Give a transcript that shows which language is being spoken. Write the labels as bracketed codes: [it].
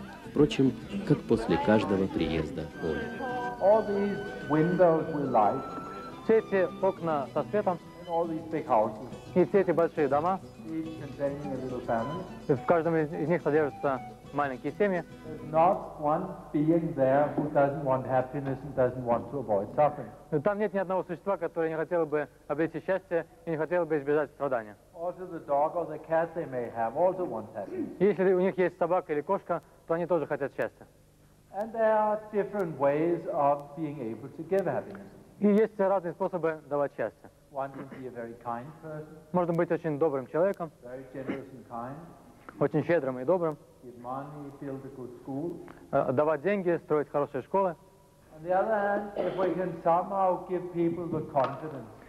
[ru] Впрочем, как после каждого приезда Оля. [en] All these windows with light. [ru] Все эти окна со светом. [en] And all these big houses. [ru] И все эти большие дома. [en] Each containing a little family. [ru] В каждом из них содержатся маленькие семьи. [en] There's not one being there who doesn't want happiness and doesn't want to avoid suffering. [ru] Там нет ни одного существа, которое не хотело бы обрести счастье и не хотело бы избежать страдания. [en] Also the dog or the cat they may have also want happiness. [ru] Если у них есть собака или кошка, то они тоже хотят счастья. [en] And there are different ways of being able to give happiness. [ru] И есть разные способы давать счастье. [en] One can be a very kind person. [ru] Можно быть очень добрым человеком. [en] Very generous and kind. [ru] Очень щедрым и добрым. [en] Give money, build a good school. [ru] Давать деньги, строить хорошие школы. [en] On the other hand, if we can somehow give people the confidence.